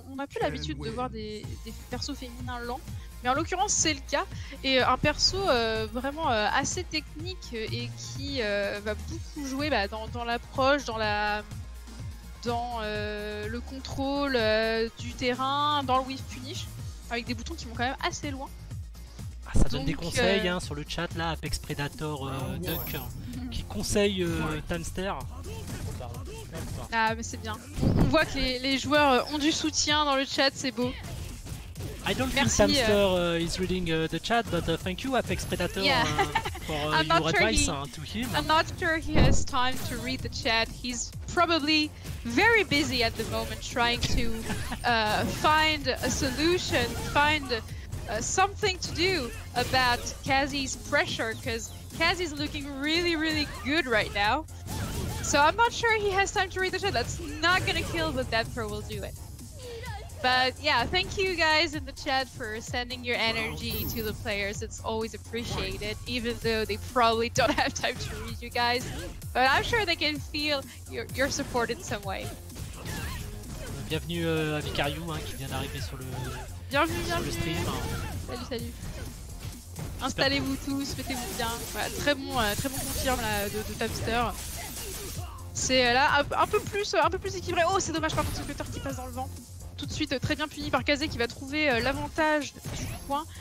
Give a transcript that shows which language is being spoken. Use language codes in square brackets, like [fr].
[fr] On n'a plus l'habitude de voir des persos féminins lents, mais en l'occurrence c'est le cas, et un perso vraiment assez technique et qui va beaucoup jouer dans l'approche, le contrôle du terrain, dans le whiff punish, avec des boutons qui vont quand même assez loin. Ah, ça donne des conseils hein, sur le chat là, Apex Predator Duck qui conseille Tamster. Ah mais c'est bien. On voit que les joueurs ont du soutien dans le chat, c'est beau. [en] I don't think Tamster is reading the chat, but thank you Apex Predator for your advice to him. I'm not sure he has time to read the chat. He's probably very busy at the moment trying to find a solution, find something to do about Kazey's pressure, because Kazey's looking really really good right now. So I'm not sure he has time to read the chat. That's not gonna kill, but DevPro will do it. But yeah, thank you guys in the chat for sending your energy to the players. It's always appreciated, even though they probably don't have time to read you guys. But I'm sure they can feel your support in some way. [fr] Bienvenue à Vicario hein, qui vient d'arriver sur le stream. Salut. Installez-vous tous, mettez-vous bien. Voilà, très bon confirme là, de Tamster. C'est là un peu plus équilibré. Oh, c'est dommage par contre, ce cutter qui passe dans le vent. Tout de suite, très bien puni par Kazey qui va trouver l'avantage du coin.